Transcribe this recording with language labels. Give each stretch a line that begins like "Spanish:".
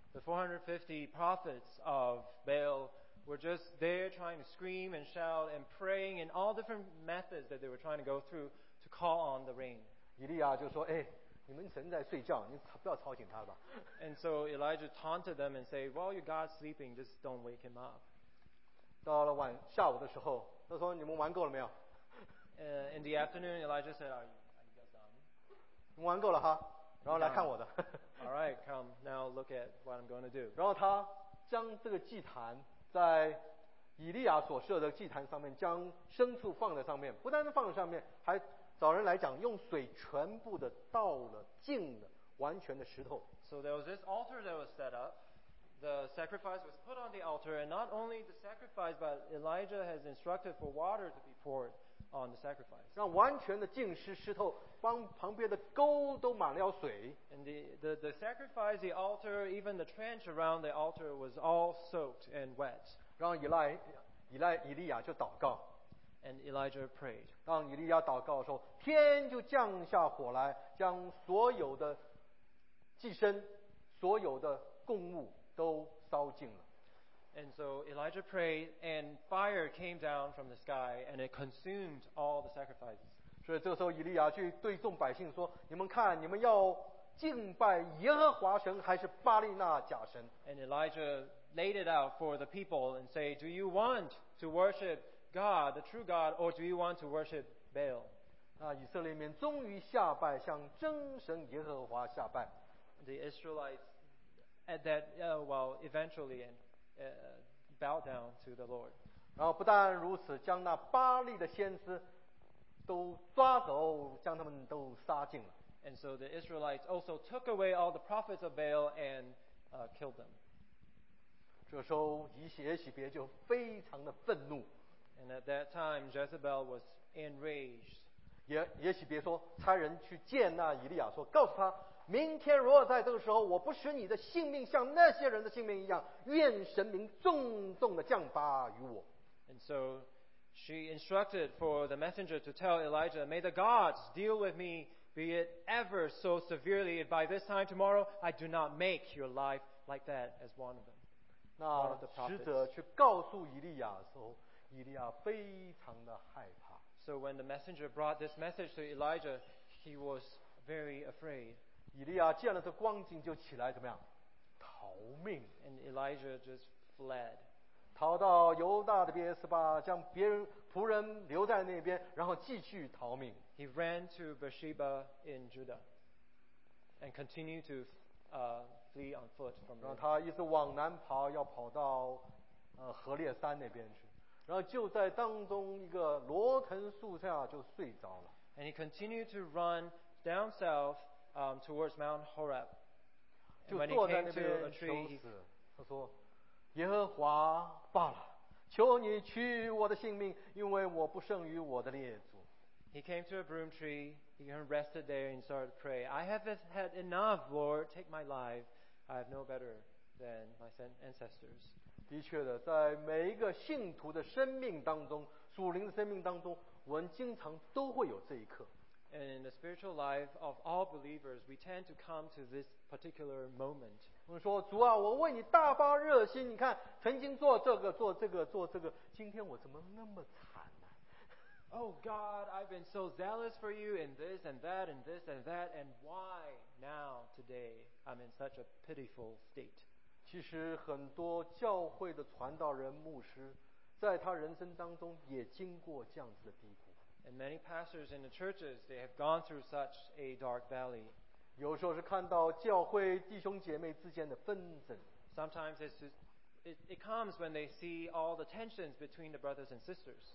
English: The 450 prophets of Baal were just there trying to scream and shout and praying in all different methods that they were trying to go through to call on the rain.
Chinese: 以利亚就说，哎，你们神在睡觉，你不要吵醒他吧。
English: And so Elijah taunted them and said, well, your God's sleeping, just don't wake him up.
Chinese: 到了晚下午的时候，他说：“你们玩够了没有？”
English: In the afternoon, Elijah said, "Are you guys done?"
Chinese: 你们玩够了哈，然后来看我的。
English: All right, come now. Look at what I'm going to do.
Chinese: 然后他将这个祭坛在以利亚所设的祭坛上面，将牲畜放在上面，不单是放在上面，还找人来讲用水全部的倒了净了，完全的石头。
English: So there was this altar that was set up. The sacrifice was put on the altar, and not only the sacrifice, but Elijah has instructed for water to be poured on the sacrifice.
Chinese: 让完全的净是石头，帮旁边的沟都满了水。
English: And the sacrifice, the altar, even the trench around the altar was all soaked and wet.
Chinese: 让以利亚就祷告。
English: And Elijah prayed.
Chinese: 当以利亚祷告的时候，天就降下火来，将所有的祭牲、所有的供物都烧尽了。
English: And so Elijah prayed, and fire came down from the sky, and it consumed all the sacrifices.
Chinese: 所以这个时候，以利亚去对众百姓说：“你们看，你们要敬拜耶和华神，还是巴利那假神
English: ？”And Elijah laid it out for the people and say, "Do you want to worship?" God, the true God, or do you want to worship Baal?
Chinese: 那以色列民终于下拜，向真神耶和华下拜。
English: The Israelites at that, well, eventually, bowed down to the Lord.
Chinese: 然后不但如此，将那巴利的先知都抓走，将他们都杀尽了。
English: And so the Israelites also took away all the prophets of Baal and killed them.
Chinese: 这时候耶洗别就非常的愤怒。
English: And at that time, Jezebel was enraged.
Chinese: 耶洗别说，差人去见那以利亚，说，告诉他，明天如果在这个时候，我不使你的性命像那些人的性命一样，愿神明重重的降罚于我。
English: And so she instructed for the messenger to tell Elijah, "May the gods deal with me, be it ever so severely. If by this time tomorrow, I do not make your life like that as one of them."
Chinese: 那使者去告诉以利亚的时候。以利亚非常的害怕。
English: So when the messenger brought this message to Elijah, he was very afraid.
Chinese: 以利亚见了这光景就起来怎么样？逃命。
English: And Elijah just fled.
Chinese: 逃到犹大的别是吧？将别人仆人留在那边，然后继续逃命。
English: He ran to Beersheba in Judah and continued to flee on foot from.
Chinese: 然后他一直往南跑，要跑到何烈山那边去。然后就在当中一个罗藤树下就睡着了。
English: And he continued to run down south, towards Mount Horeb.
Chinese: 就坐在那边求死。他说：“耶和华罢了，求你取我的性命，因为我不胜于我的列祖。
English: ”He came to a broom tree. He rested there and started to pray. "I have had enough, Lord. Take my life. I have no better than my ancestors."
Chinese: 的确的，在每一个信徒的生命当中，属灵的生命当中，我们经常都会有这一刻。
English: And in the spiritual life of all believers, we tend to come to this particular moment.
Chinese: 我们说，主啊，我为你大发热心，你看，曾经做这个，做这个，做这个，今天我怎么那么惨呢？
English: Oh God, I've been so zealous for you in this and that and this and that, and why now today I'm in such a pitiful state?
Chinese: 其实很多教会的传道人牧师在他人生当中也经过这样子的低谷。
English: And many pastors in the churches, they have gone through such a dark valley.
Chinese: 有时候是看到教会弟兄姐妹之间的纷争。
English: Sometimes it comes when they see all the tensions between the brothers and sisters.